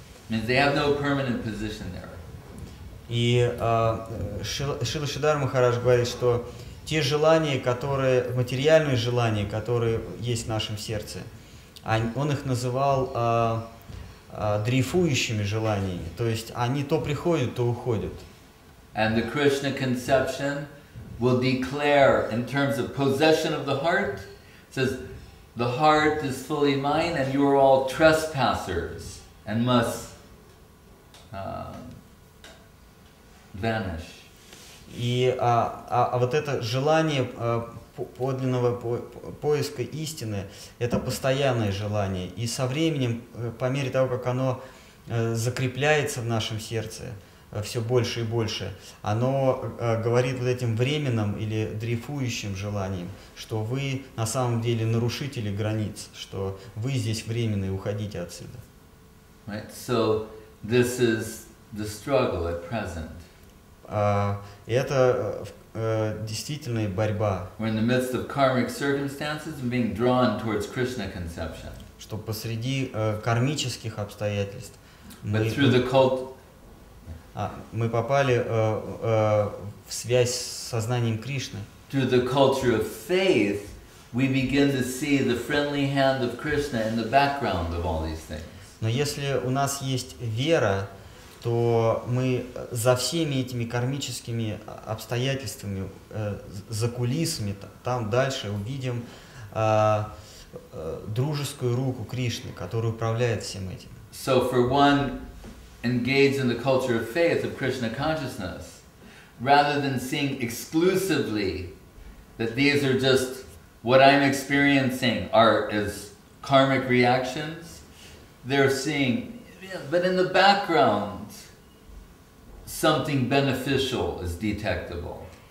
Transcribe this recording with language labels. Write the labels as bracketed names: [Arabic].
[English] Means they have no permanent position there. [Russian] И Шрила Шридхар Махарадж говорит, что те желания, которые, материальные желания, которые есть в нашем сердце, он их называл дрейфующими желаниями. То есть они то приходят, то уходят. [English] And the Krishna conception will declare in terms of possession of the heart, says, the heart is fully mine and you are all trespassers and must vanish. [Russian] И вот это желание подлинного поиска истины, это постоянное желание. И со временем, по мере того, как оно закрепляется в нашем сердце, все больше и больше, оно говорит вот этим временным или дрейфующим желанием, что вы на самом деле нарушители границ, что вы здесь временные, уходите отсюда. [English] Right. So this is the struggle at present. [Russian] Это действительно борьба. [English] We're in the midst of karmic circumstances and being drawn towards Krishna conception. [Russian] Что посреди кармических обстоятельств. [English] But through the cult. [Russian] Мы попали в связь с сознанием Кришны. [English] Through the culture of faith, we begin to see the friendly hand of Krishna in the background of all these things. [Russian] Но если у нас есть вера, то мы за всеми этими кармическими обстоятельствами, за кулисами, там дальше увидим дружескую руку Кришны, которая управляет всем этим. [English] So for one engaged in the culture of faith, of Krishna consciousness, rather than seeing exclusively that these are just what I'm experiencing are as karmic reactions, they're seeing, but in the background, something beneficial is detectable.